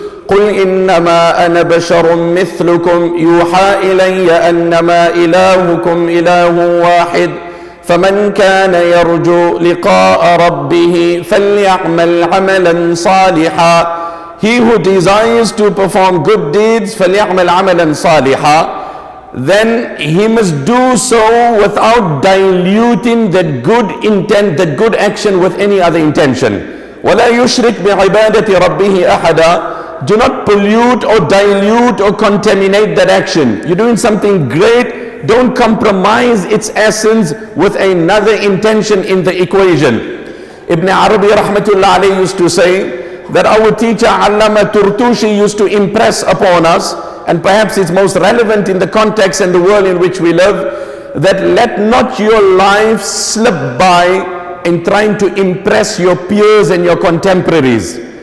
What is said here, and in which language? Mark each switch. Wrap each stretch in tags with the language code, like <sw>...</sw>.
<ar>قُلْ إِنَّمَا أَنَا بَشَرٌ مِثْلُكُمْ يُوحَى إِلَيَّ أَنَّمَا إِلَهُكُمْ إِلَهٌ وَاحِدٌ فَمَنْ كَانَ يَرْجُو لِقَاءَ رَبِّهِ فَلْيَعْمَلْ عَمَلًا صَالِحًا.</ar> <en>He who desires to perform good deeds,</en> <ar>فَلْيَعْمَلْ عَمَلًا صَالِحًا.</ar> <en>Then he must do so without diluting that good intent, that good action with any other intention.</en> <ar>ولا يشرك بعبادة ربه أحدا.</ar> <en>Do not pollute or dilute or contaminate that action. You're doing something great. Don't compromise its essence with another intention in the equation. Ibn Arabi</en> <ar>rahmatullah alayhi</ar> <en>used to say that our teacher Allama Turtushi used to impress upon us, and perhaps it's most relevant in the context and the world in which we live, that let not your life slip by in trying to impress your peers and your contemporaries.</en>